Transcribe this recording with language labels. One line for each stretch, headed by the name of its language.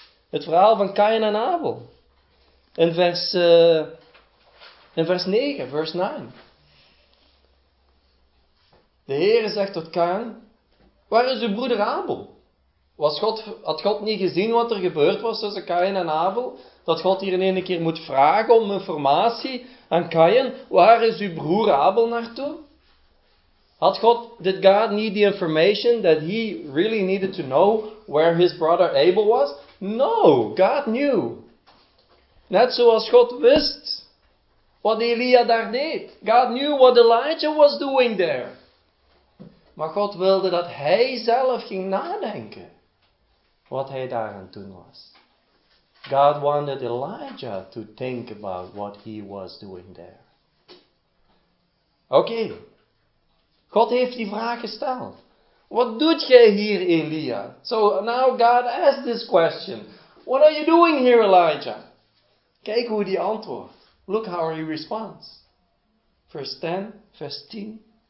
Dutch: Het verhaal van Kain en Abel. In vers 9. De Heere zegt tot Kain, waar is uw broeder Abel? Had God niet gezien wat er gebeurd was tussen Kain en Abel? Dat God hier in een keer moet vragen om informatie aan Kain. Waar is uw broer Abel naartoe?
English: Did God need the information that he really needed to know where his brother Abel was? No, God knew.
Dutch: Net zoals God wist wat Elia daar deed.
English: God knew what Elijah was doing there.
Dutch: Maar God wilde dat hij zelf ging nadenken wat hij daar aan het doen was.
English: God wanted Elijah to think about what he was doing there.
Dutch: Oké. God heeft die vraag gesteld. Wat doet jij hier, Elia?
English: So now God asked this question. What are you doing here, Elijah?
Dutch: Kijk hoe die antwoordt.
English: Look how he responds.
Dutch: Vers 10, vers 10.